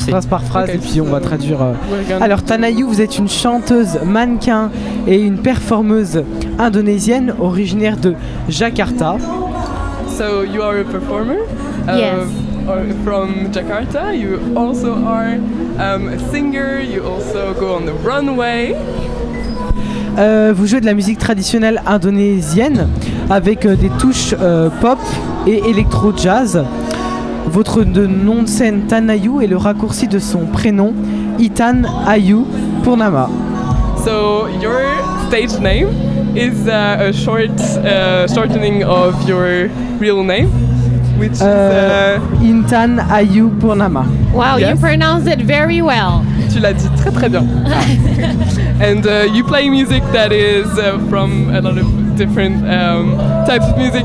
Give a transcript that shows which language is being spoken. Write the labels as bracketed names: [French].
[French] Je fais phrase par phrase, okay. Et puis on va traduire. Alors Tanayu, vous êtes une chanteuse, mannequin et une performeuse indonésienne originaire de Jakarta. [English] So you are a performer? Yes. From Jakarta. You also are a singer, you also go on the runway. [French] Vous jouez de la musique traditionnelle indonésienne avec des touches pop et électro-jazz. Votre nom de scène Tanayu est le raccourci de son prénom Itan Ayu Purnama. [English] So your stage name is a short shortening of your real name, which is Itan Ayu Purnama. Wow, yes. You pronounced it very well. [French] Tu l'as dit très très bien. [English] And you play music that is from a lot of different types of music.